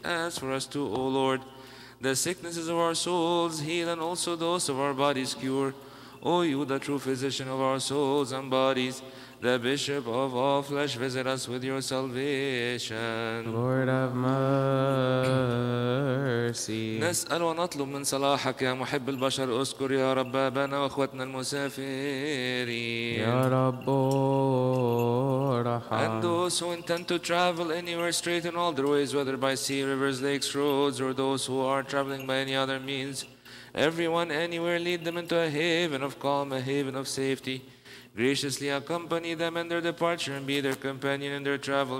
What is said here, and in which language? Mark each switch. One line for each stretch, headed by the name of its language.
English: As for us too, O Lord, the sicknesses of our souls heal and also those of our bodies cure. O you, the true physician of our souls and bodies, the bishop of all flesh, visit us with your salvation. Lord of mercy.
Arabic: نسأل ونطلب من صلاحك يا محب البشر اذكر يا رب بابنا واخوتنا المسافرين. يا رب ارحم.
English: And those who intend to travel anywhere straight in all their ways, whether by sea, rivers, lakes, roads, or those who are traveling by any other means. Everyone, anywhere, lead them into a haven of calm, a haven of safety. Graciously accompany them in their departure and be their companion in their travel.